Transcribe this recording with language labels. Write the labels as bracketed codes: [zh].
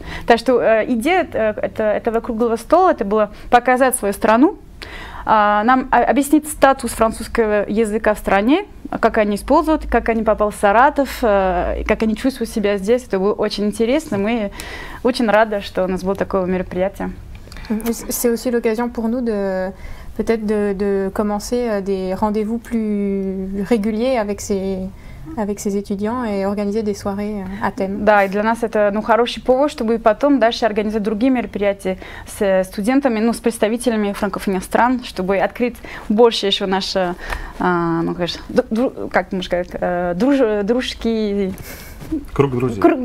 [ru] Так что идея этого круглого стола, это было показать свою страну. нам объяснить статус французского языка в стране, как они используют, как они попали в Саратов, как они чувствуют себя здесь. Это было очень интересно. Мы очень рады, что у нас было такое мероприятие. [fr] C'est aussi l'occasion pour nous de peut-être de commencer des rendez-vous plus réguliers avec ces étudiants et organiser des soirées à thème. [ru] Да, и для нас это хороший повод, чтобы потом дальше организовать другие мероприятия с студентами, с представителями франкофонных стран, чтобы открыть больше еще наше, дружеские. Круг друзей.